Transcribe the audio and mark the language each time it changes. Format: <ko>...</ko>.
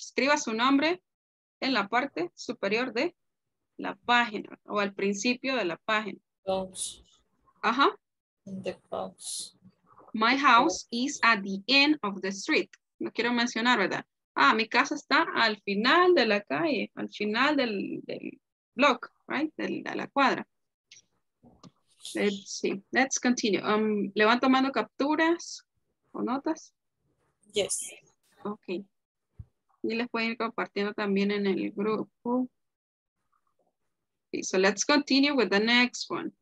<es>Escriba su nombre en la parte superior de la página o al principio de la página.</es> <en>My house is at the end of the street.</en> <es>No quiero mencionar, ¿verdad? Mi casa está al final de la calle, al final del block,</es> <en>right?</en> <es>De la cuadra.</es> <en>Let's see. Let's continue.</en> <es>¿Le van tomando capturas o notas?</es> <en>Yes. Okay.</en> <es>Y les pueden ir compartiendo también en el grupo.</es> <en>Okay, so let's continue with the next one.</en>